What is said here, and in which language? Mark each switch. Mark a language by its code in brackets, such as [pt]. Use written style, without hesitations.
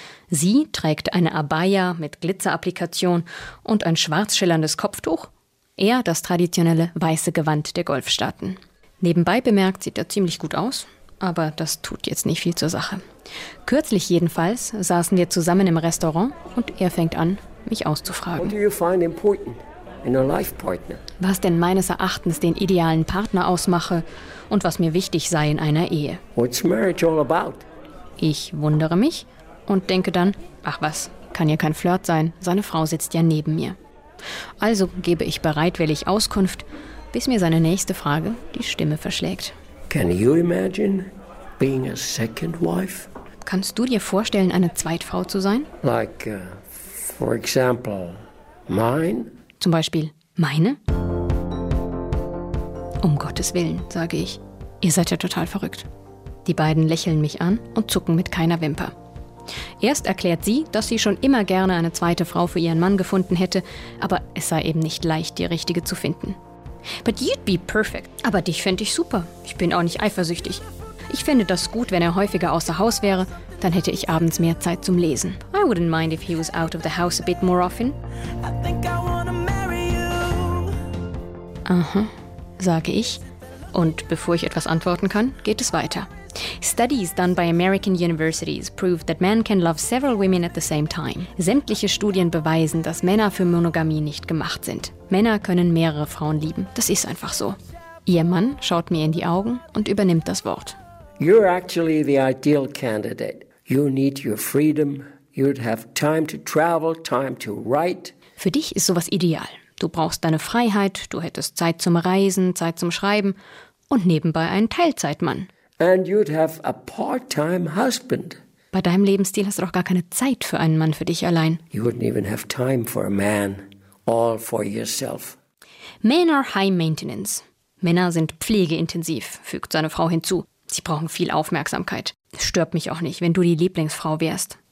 [de] Sie trägt eine Abaya mit Glitzerapplikation und ein schwarz schillerndes Kopftuch. Er das traditionelle weiße Gewand der Golfstaaten. Nebenbei bemerkt, sieht er ziemlich gut aus, aber das tut jetzt nicht viel zur Sache. Kürzlich jedenfalls saßen wir zusammen im Restaurant und er fängt an, mich auszufragen. [en] What do you find important in a life partner? [de] Was denn meines Erachtens den idealen Partner ausmache und was mir wichtig sei in einer Ehe. [en] What's marriage all about? [de] Ich wundere mich und denke dann, ach was, kann ja kein Flirt sein, seine Frau sitzt ja neben mir. Also gebe ich bereitwillig Auskunft, bis mir seine nächste Frage die Stimme verschlägt. [en] Can you imagine being a second wife? [de] Kannst du dir vorstellen, eine Zweitfrau zu sein? [en] Like, for example, mine? [de] Zum Beispiel meine? Um Gottes Willen, sage ich. Ihr seid ja total verrückt. Die beiden lächeln mich an und zucken mit keiner Wimper. Erst erklärt sie, dass sie schon immer gerne eine zweite Frau für ihren Mann gefunden hätte, aber es sei eben nicht leicht, die richtige zu finden. [en] But you'd be perfect. [de] Aber dich fände ich super. Ich bin auch nicht eifersüchtig. Ich fände das gut, wenn er häufiger außer Haus wäre. Dann hätte ich abends mehr Zeit zum Lesen. [en] I wouldn't mind if he was out of the house a bit more often. I think I wanna marry you. [de] Aha, sage ich. Und bevor ich etwas antworten kann, geht es weiter. [en] Studies done by American universities prove that men can love several women at the same time. [de] Sämtliche Studien beweisen, dass Männer für Monogamie nicht gemacht sind. Männer können mehrere Frauen lieben. Das ist einfach so. Ihr Mann schaut mir in die Augen und übernimmt das Wort. [en] You're actually the ideal candidate. You need your freedom. You'd have time to travel, time to write. [de] Für dich ist sowas ideal. Du brauchst deine Freiheit, du hättest Zeit zum Reisen, Zeit zum Schreiben und nebenbei einen Teilzeitmann. [en] And you'd have a part-time husband. [de] Bei deinem Lebensstil hast du doch gar keine Zeit für einen Mann für dich allein. [en] You wouldn't even have time for a man, all for yourself. Men are high maintenance. [de] Männer sind pflegeintensiv, fügt seine Frau hinzu. Sie brauchen viel Aufmerksamkeit. Es stört mich auch nicht, wenn du die Lieblingsfrau wärst.